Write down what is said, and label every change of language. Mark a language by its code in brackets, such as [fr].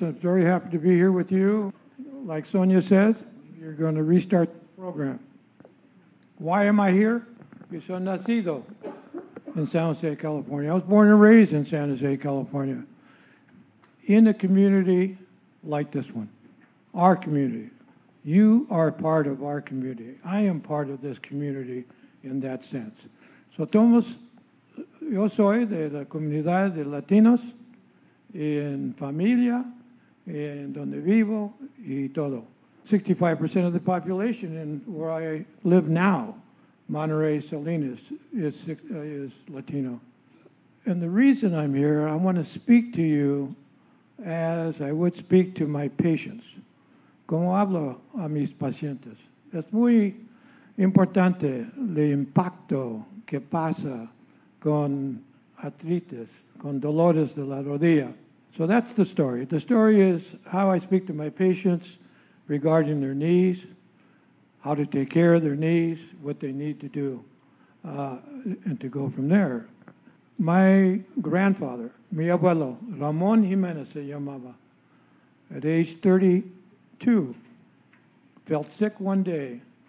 [en] I'm very happy to be here with you. Like Sonia says, you're going to restart the program. Why am I here? [es] Yo soy nacido. [en] in San Jose, California. I was born and raised in San Jose, California, in a community like this one, our community. You are part of our community. I am part of this community in that sense. [es] So, Thomas, yo soy de la comunidad de Latinos, en familia, en donde vivo, y todo. [en] 65% of the population in where I live now, Monterey Salinas, is Latino. And the reason I'm here, I want to speak to you as I would speak to my patients. [es] Como hablo a mis pacientes. Es muy importante el impacto que pasa con artritis, con dolores de la rodilla. [en] So that's the story. The story is how I speak to my patients regarding their knees, how to take care of their knees, what they need to do, and to go from there. My grandfather, [es] mi abuelo, [en] Ramon Jimenez [es] se llamaba, [en] at age 32, felt sick one day.